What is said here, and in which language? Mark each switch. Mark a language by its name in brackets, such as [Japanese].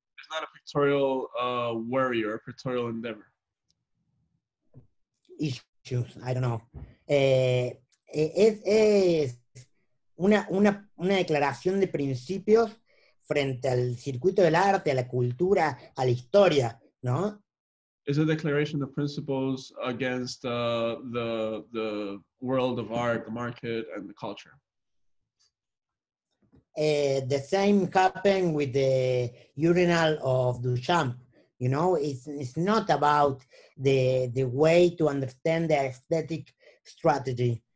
[English] It's not a pictorial worry or a pictorial endeavor. Issues, I don't know. [Spanish] Es una declaración de principios frente al circuito del arte, a la cultura, a la historia, ¿no? [English] Is a declaration of principles against the world of art, the market, and the culture. The same happened with the urinal of Duchamp. You know, it's not about the way to understand the aesthetic strategy.